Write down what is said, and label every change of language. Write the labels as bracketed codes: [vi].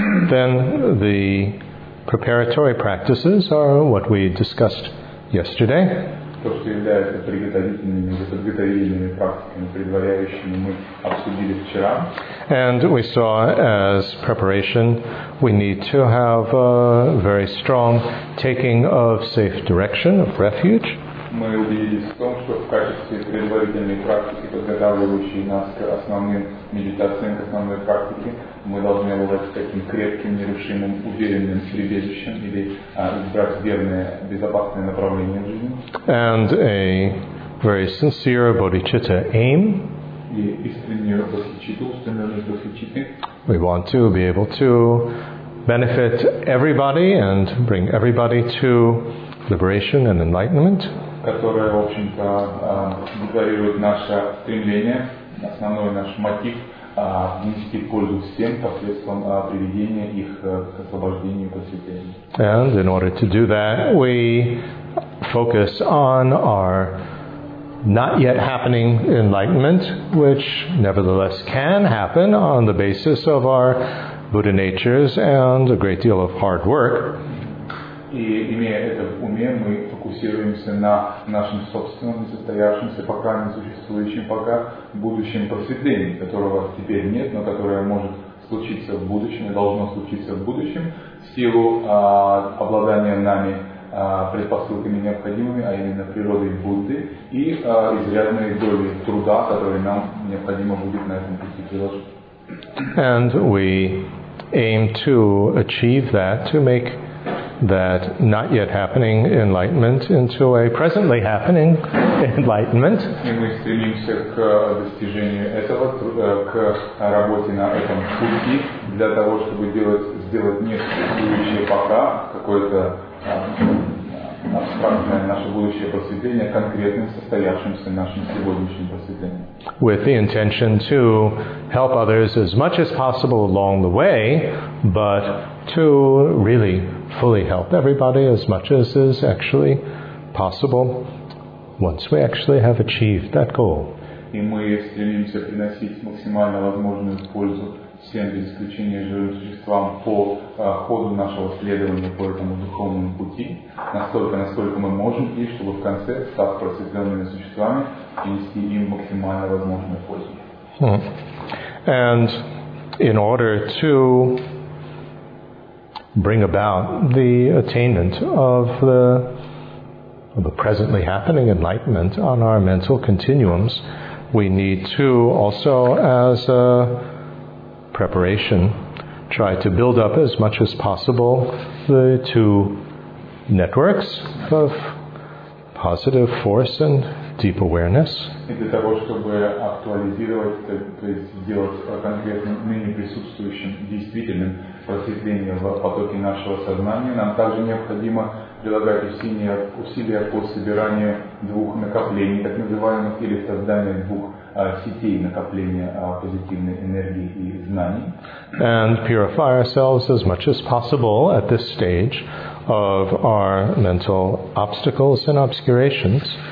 [en] Then the preparatory practices are what we discussed yesterday. [ru] То, что является приготовительными, подготовительными практиками, предваряющими, мы обсудили вчера. [en] And we saw as preparation, we need to have a very strong taking of safe direction, of refuge. [ru] Мы убедились в том, что в качестве предварительной практики, подготавливающей нас к основным медитациям, к основной практике, мы должны обладать таким крепким, нерушимым, уверенным прибежищем или избрать верное, безопасное направление в жизни. [en] And a very sincere bodhicitta aim. [ru] И искреннюю бодхичитту, устремленность бодхичитты. [en] We want to be able to benefit everybody and bring everybody to liberation and enlightenment. [ru] Которая, в общем-то, декларирует наше стремление, основной наш мотив внести пользу всем посредством приведения их к освобождению и просветлению. [en] And in order to do that, we focus on our not yet happening enlightenment, which nevertheless can happen on the basis of our Buddha natures and a great deal of hard work. [ru] И имея это в уме, мы фокусируемся на нашем собственном, несостоявшемся, пока не существующем, пока будущем просветлении, которого теперь нет, но которое может случиться в будущем и должно случиться в будущем в силу обладания нами предпосылками необходимыми, а именно природой Будды и изрядной долей труда, который нам необходимо будет на этом пути приложить. [en] And we aim to achieve that, to make that not yet happening enlightenment into a presently happening enlightenment. [ru] И мы стремимся к достижению этого, к работе на этом пути, для того, чтобы сделать не существующее пока, какое-то абстрактное наше будущее просветление, конкретным состоявшимся нашим сегодняшним просветлением. [en] With the intention to help others as much as possible along the way, but to really fully help everybody as much as is actually possible once we actually have achieved that goal. [ru] И мы стремимся приносить максимально возможную пользу всем без исключения живым существам по ходу нашего следования по этому духовному пути, насколько мы можем, и чтобы в конце, став просветленными существами, принести им максимально возможную пользу. [en] And in order to bring about the attainment of the presently happening enlightenment on our mental continuums, we need to also, as a preparation, try to build up as much as possible the two networks of positive force and deep awareness. [ru] И для того, чтобы актуализировать, то есть сделать конкретным ныне присутствующим действительным просветление в потоке нашего сознания, нам также необходимо прилагать усилия по собиранию двух накоплений, так называемых, или созданию двух сети накопления позитивной энергии и знаний. [en] And purify ourselves as much as possible at this stage of our mental obstacles and obscurations.